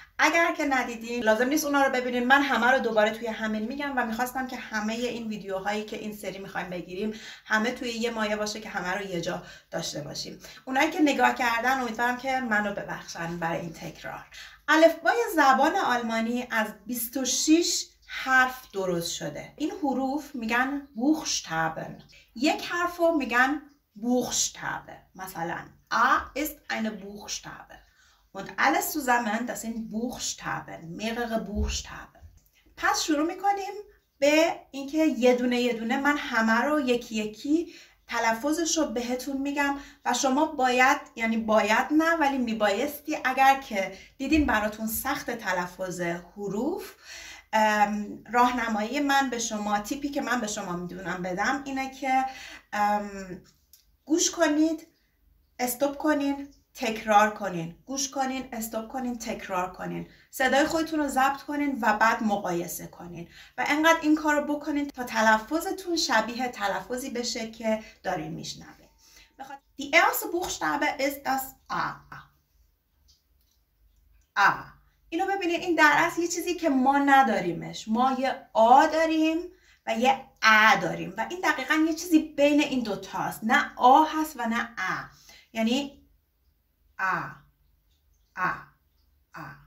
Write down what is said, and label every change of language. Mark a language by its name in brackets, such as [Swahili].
[Persian] اگر که ندیدین لازم نیست اونا رو ببینین، من همه رو دوباره توی همین میگم و میخواستم که همه این ویدیوهایی که این سری میخوایم بگیریم همه توی یه مایه باشه که همه رو یه جا داشته باشیم. اونایی که نگاه کردن امیدوارم که منو ببخشن برای این تکرار. الفبای زبان آلمانی از 26 حرف درست شده. این حروف میگن بوخشتابن. یک حرف رو میگن [German] Buchstabe. Masalan, A ist eine Buchstabe. Und alles zusammen, das sind Buchstaben, mehrere Buchstaben. [Persian] Pas shuru mikonim be inke yedune yedune man hama ro yeki yeki تلفظش رو بهتون میگم و شما باید، یعنی باید نه ولی میبایستی، اگر که دیدین براتون سخت تلفظ حروف، راهنمایی من به شما، تیپی که من به شما میدونم بدم اینه که گوش کنید، استوب کنین، تکرار کنین، گوش کنین، استوب کنین، تکرار کنین، صدای خودتون رو ضبط کنین و بعد مقایسه کنین و انقدر این کار رو بکنین تا تلفظتون شبیه تلفظی بشه که دارین میشنوین. [German] Die erste Buchstabe ist das A. A. [Persian] اینو ببینین، این در اصل یه چیزی که ما نداریمش. ما یه آ داریم و یه ا داریم و این دقیقا یه چیزی بین این دوتاست. نه آ هست و نه ا. یعنی A, A, A.